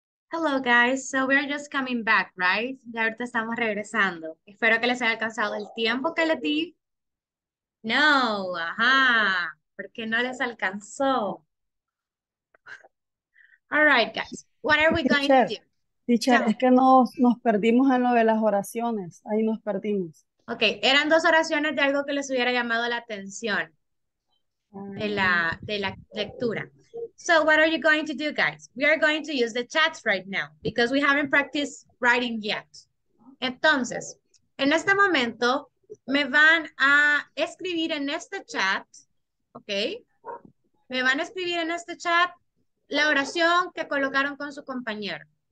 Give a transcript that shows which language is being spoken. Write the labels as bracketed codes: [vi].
[en] Hello guys, so we're just coming back, right? [es] Ya ahorita estamos regresando. Espero que les haya alcanzado el tiempo que les di. No, ajá, porque no les alcanzó. [en] All right, guys, what are we going teacher, to do? [es] Teacher, es que nos perdimos en lo de las oraciones, ahí nos perdimos. Ok, eran dos oraciones de algo que les hubiera llamado la atención de la lectura. [en] So what are you going to do, guys? We are going to use the chats right now because we haven't practiced writing yet. [es] Entonces, En este momento me van a escribir en este chat, ¿ok? Me van a escribir en este chat la oración que colocaron con su compañero.